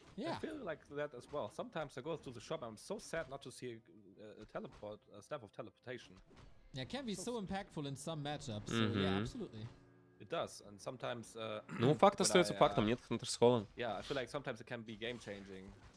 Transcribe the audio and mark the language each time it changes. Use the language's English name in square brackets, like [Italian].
[English] Yeah. I feel like that as well. Sometimes I go to the shop, I'm so sad not to see a staff of teleportation. Yeah, it can be so impactful in some matchups. Mm-hmm. So, yeah, absolutely. It does, and sometimes... [Russian] ну, факт остается фактом, нет Hunter's Hall. [English] Yeah, I feel like sometimes it can be game-changing.